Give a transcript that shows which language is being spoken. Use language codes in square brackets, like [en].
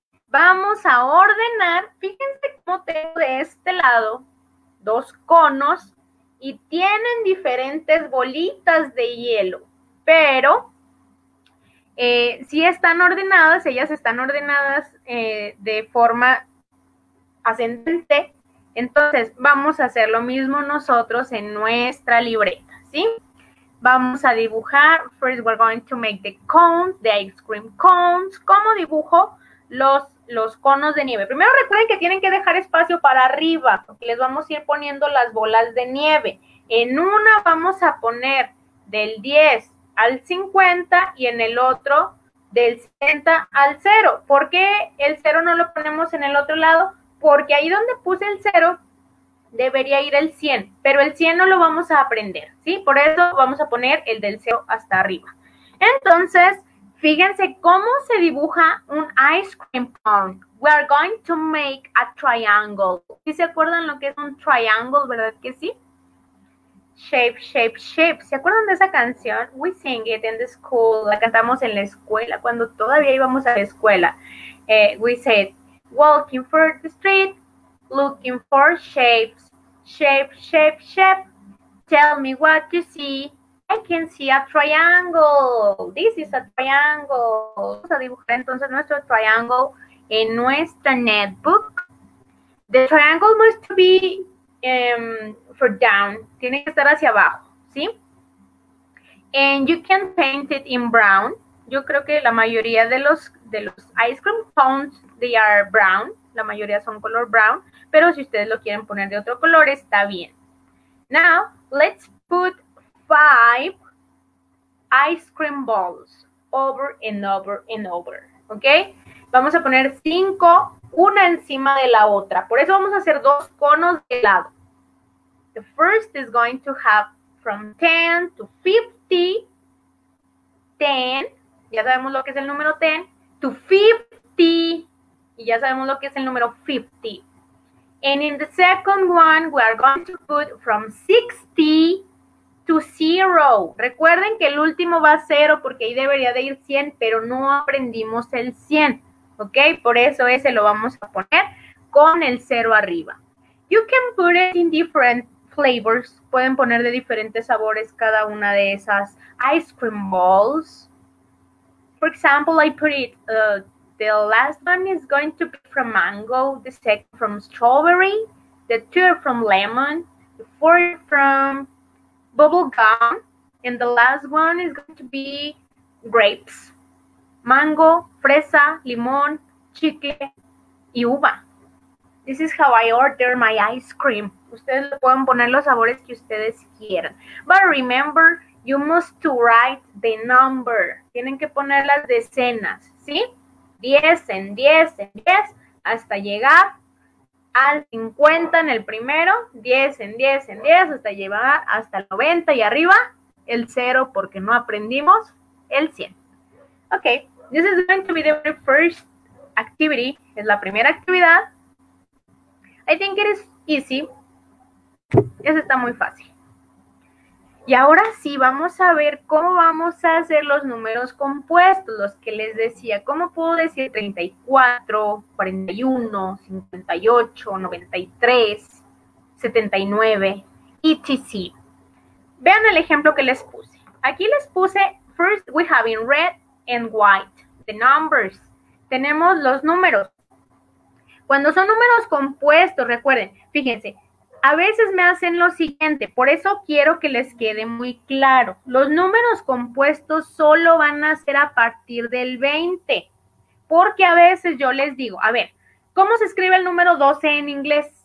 [es] Vamos a ordenar, fíjense cómo tengo de este lado dos conos y tienen diferentes bolitas de hielo, pero sí están ordenadas, ellas están ordenadas de forma ascendente, entonces vamos a hacer lo mismo nosotros en nuestra libreta, ¿sí? Vamos a dibujar. [en] First, we're going to make the cones, the ice cream cones. [es] ¿Cómo dibujo los conos de nieve? Primero recuerden que tienen que dejar espacio para arriba, porque les vamos a ir poniendo las bolas de nieve. En una vamos a poner del 10 al 50 y en el otro del 70 al 0. ¿Por qué el 0 no lo ponemos en el otro lado? Porque ahí donde puse el 0 debería ir el 100, pero el 100 no lo vamos a aprender, ¿sí? Por eso vamos a poner el del 0 hasta arriba. Entonces, fíjense cómo se dibuja un ice cream cone. [en] We are going to make a triangle. [es] ¿Sí se acuerdan lo que es un triangle, verdad que sí? [en] Shape, shape, shape. [es] ¿Se acuerdan de esa canción? [en] We sing it in the school. [es] La cantamos en la escuela, cuando todavía íbamos a la escuela. [en] We said, walking through the street, looking for shapes. Shape, shape, shape. Tell me what you see. I can see a triangle. This is a triangle. [es] Vamos a dibujar entonces nuestro triangle en nuestra netbook. [en] The triangle must be for down. [es] Tiene que estar hacia abajo, ¿sí? [en] And you can paint it in brown. [es] Yo creo que la mayoría de los [en] ice cream cones, they are brown. [es] La mayoría son color brown. Pero si ustedes lo quieren poner de otro color, está bien. [en] Now, let's put 5 ice cream balls over and over and over. ¿Ok? [es] Vamos a poner 5, una encima de la otra. Por eso vamos a hacer dos conos de lado. [en] The first is going to have from 10 to 50. [es] 10, ya sabemos lo que es el número 10. To 50, y ya sabemos lo que es el número 50. [en] And in the second one, we are going to put from 60 to 0. [es] Recuerden que el último va a 0 porque ahí debería de ir 100, pero no aprendimos el 100. ¿Ok? Por eso ese lo vamos a poner con el 0 arriba. [en] You can put it in different flavors. [es] Pueden poner de diferentes sabores cada una de esas [en] ice cream balls. For example, I put it The last one is going to be from mango, the second from strawberry, the third from lemon, the fourth from bubble gum, and the last one is going to be grapes. [es] Mango, fresa, limón, chicle y uva. [en] This is how I order my ice cream. [es] Ustedes le pueden poner los sabores que ustedes quieran. [en] But remember, you must to write the number. [es] Tienen que poner las decenas, ¿sí? 10 en 10 en 10 hasta llegar al 50 en el primero. 10 en 10 en 10 hasta llegar hasta el 90 y arriba. El 0 porque no aprendimos el 100. [en] Ok, this is going to be the very first activity. [es] Es la primera actividad. [en] I think it is easy. [es] Eso está muy fácil. Y ahora sí, vamos a ver cómo vamos a hacer los números compuestos, los que les decía. ¿Cómo puedo decir 34, 41, 58, 93, 79, etc.? Vean el ejemplo que les puse. Aquí les puse, [en] first we have in red and white, the numbers. [es] Tenemos los números. Cuando son números compuestos, recuerden, fíjense, a veces me hacen lo siguiente, por eso quiero que les quede muy claro. Los números compuestos solo van a ser a partir del 20. Porque a veces yo les digo, a ver, ¿cómo se escribe el número 12 en inglés?